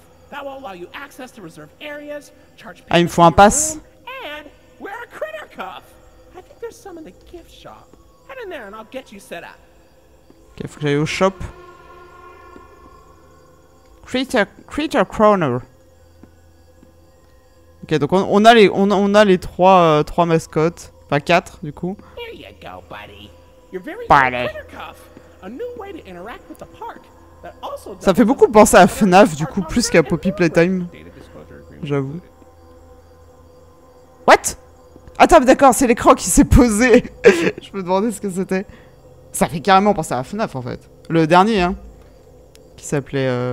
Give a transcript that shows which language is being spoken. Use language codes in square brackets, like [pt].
[en] That will allow you access to reserve areas, charge [fr] payments. Ah, il me faut un pass. [en] And wear a critter cuff. I think there's some in the gift shop. Head in there and I'll get you set up. [fr] Ok, faut que j'aille au shop. [en] Critter Croner. [fr] Ok, donc on a les trois mascottes. Enfin, quatre, du coup. [en] There you go, buddy. You're very Crittercuff. A new way to interact with the park. [fr] Ça fait beaucoup penser à FNAF, du coup, plus qu'à Poppy Playtime, j'avoue. What? Attends, d'accord, c'est l'écran qui s'est posé. Je me demandais ce que c'était. Ça fait carrément penser à FNAF, en fait. Le dernier, hein. Qui s'appelait...